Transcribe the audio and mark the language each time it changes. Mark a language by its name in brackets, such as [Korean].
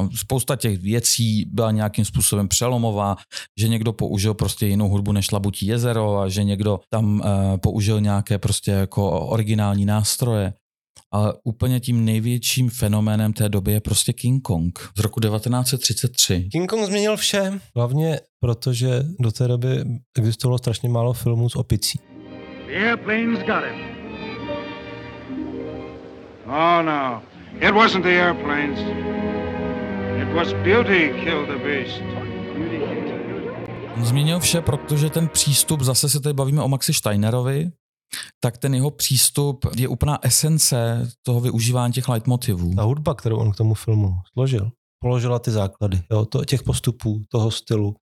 [Czech] Spousta těch věcí byla nějakým způsobem přelomová, že někdo použil prostě jinou hudbu než Labutí jezero a že někdo tam použil nějaké prostě jako originální nástroje. Ale úplně tím největším fenoménem té doby je prostě King Kong z roku 1933. King Kong změnil vše. Hlavně proto, že do té doby existovalo strašně málo filmů s opicí. [English] The airplanes got him. Oh, no. It wasn't the airplanes. It was beauty killed the beast. [Czech] On změnil vše, protože ten přístup, zase se tady bavíme o Maxi Steinerovi, tak ten jeho přístup je úplná esence toho využívání těch leitmotivů. Ta hudba, kterou on k tomu filmu složil, položila ty základy, jo, těch postupů, toho stylu.